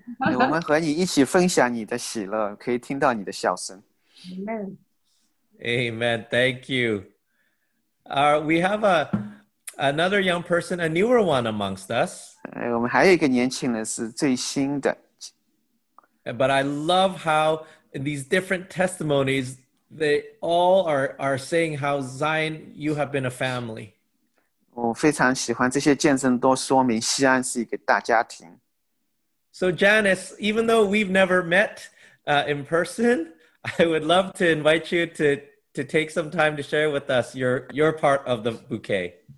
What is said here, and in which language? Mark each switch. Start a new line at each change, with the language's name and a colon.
Chinese: 我们和你一起分享你的喜乐，可以听到你的笑声。
English: Amen. Amen. Thank you. We have another young person, a newer one amongst us.
Chinese: 我们还有一个年轻人是最新的。
English: But I love how. In these different testimonies, they all are saying how Zion, you have been a family.
Chinese: 我非常喜欢这些见证都说明西安是一个大家庭。
English: So Janice, even though we've never met in person, I would love to invite you to take some time to share with us your part of the bouquet.